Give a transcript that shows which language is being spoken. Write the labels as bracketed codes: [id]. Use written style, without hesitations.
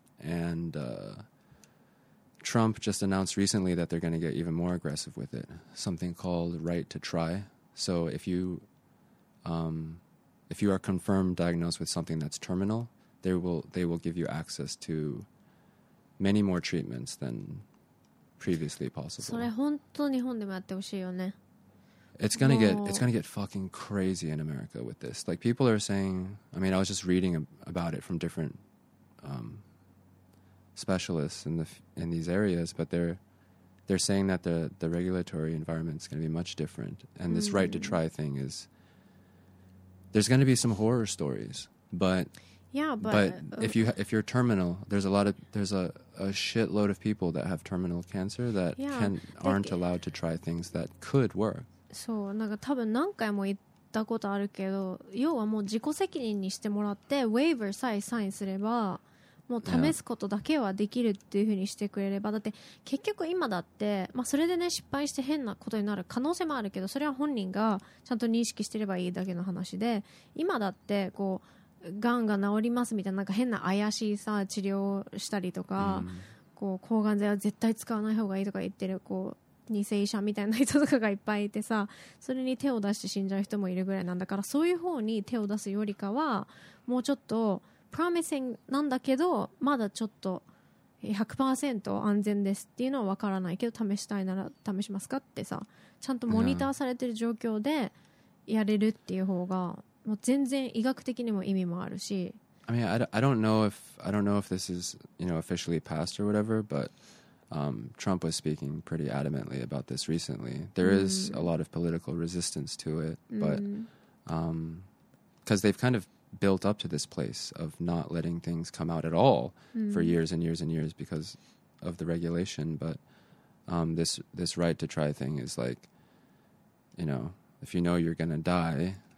[en] And Trump just announced recently that they're going to get even more aggressive with it, something called right to try. So if you are confirmed diagnosed with something that's terminal, they will give you access to many more treatments than previously possible. [ja] それ本当日本でもやってほしいよね。 [en] It's gonna get fucking crazy in America with this. Like people are saying, I mean, I was just reading about it from different specialists in these areas, but they're saying that the regulatory environment is gonna be much different, and this right to try thing is. There's gonna be some horror stories, but. Yeah, but if you're terminal, there's a shitload of people that have terminal cancer that yeah, aren't allowed to try things that could work. [ja] そう、なんか多分何回も言ったことあるけど、要はもう自己責任にしてもらって、ウェイバーさえサインすれば、もう試すことだけはできるっていう風にしてくれれば、yeah. だって結局今だって、まあ、それでね失敗して変なことになる可能性もあるけど、それは本人がちゃんと認識してればいいだけの話で、今だってこう。がんが治りますみたいななんか変な怪しいさ治療をしたりとか、うん、こう抗がん剤は絶対使わない方がいいとか言ってるこう偽医者みたいな人とかがいっぱいいてさそれに手を出して死んじゃう人もいるぐらいなんだからそういう方に手を出すよりかはもうちょっとプロミシングなんだけどまだちょっと 100% 安全ですっていうのは分からないけど試したいなら試しますかってさちゃんとモニターされてる状況でやれるっていう方がもう全然医学的にも意味もあるし。 [en] I mean, I don't know if this is, you know, officially passed or whatever, but Trump was speaking pretty adamantly about this recently. There is a lot of political resistance to it, but because they've kind of built up to this place of not letting things come out at all for years and years and years because of the regulation, but this right to try thing is like, you know, if you know you're gonna die.